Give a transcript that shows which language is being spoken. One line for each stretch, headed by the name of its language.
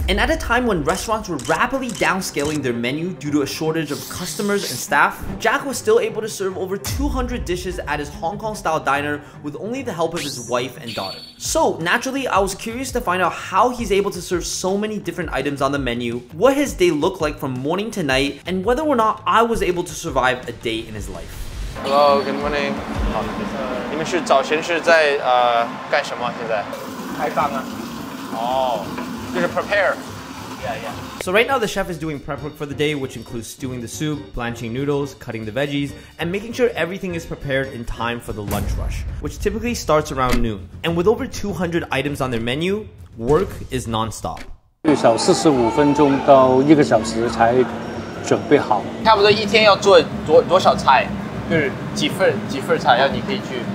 English: And at a time when restaurants were rapidly downscaling their menu due to a shortage of customers and staff, Jack was still able to serve over 200 dishes at his Hong Kong-style diner with only the help of his wife and daughter. So, naturally, I was curious to find out how he's able to serve so many different items on the menu, what his day looked like from morning to night, and whether or not I was able to survive a day in his life. Hello, good morning. Hello.
Chinese: 你们是早晨是在干什么现在? 开饭啊。哦，就是prepare.
English: So right now the chef is doing prep work for the day, which includes stewing the soup, blanching noodles, cutting the veggies, and making sure everything is prepared in time for the lunch rush, which typically starts around noon. And with over 200 items on their menu, work is nonstop.
Chinese: 一小时45分钟到一个小时才准备好。差不多一天要做多少菜？就是几份菜要你可以去